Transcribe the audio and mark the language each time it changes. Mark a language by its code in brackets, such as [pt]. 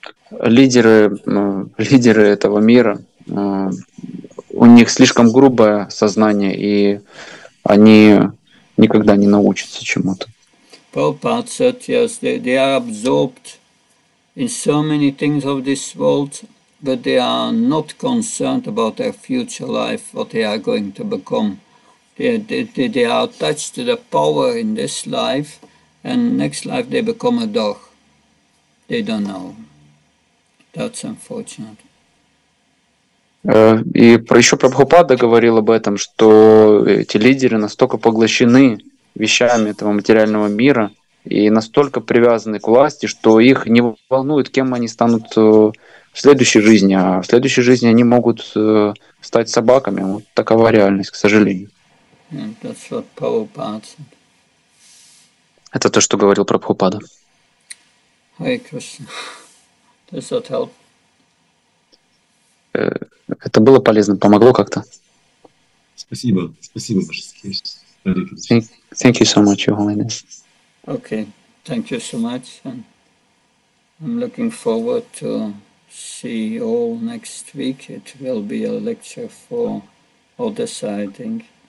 [ru] Лидеры этого мира, у них слишком грубое сознание, и они никогда не научатся чему-то. [en] Prabhupada said, yes, they are absorbed in so many things of this world, but they are not concerned about their future life, what they are going to become. They are attached to the power in this life, and next life they become a dog. They don't know. That's unfortunate. [ru] И еще Прабхупада говорил об этом, что эти лидеры настолько поглощены вещами этого материального мира и настолько привязаны к власти, что их не волнует, кем они станут в следующей жизни. А в следующей жизни они могут стать собаками. Вот такова реальность, к сожалению. [en] That's what Prabhupada said. [ru] Это то, что говорил Прабхупада. [en] Hare Krishna. Does that help? [ru] Это было полезно, помогло как-то? Спасибо, спасибо, Божеский. [en] Thank you so much, Your Holiness. Okay, thank you so much. And I'm looking forward to see you all next week. It will be a lecture for all the siding.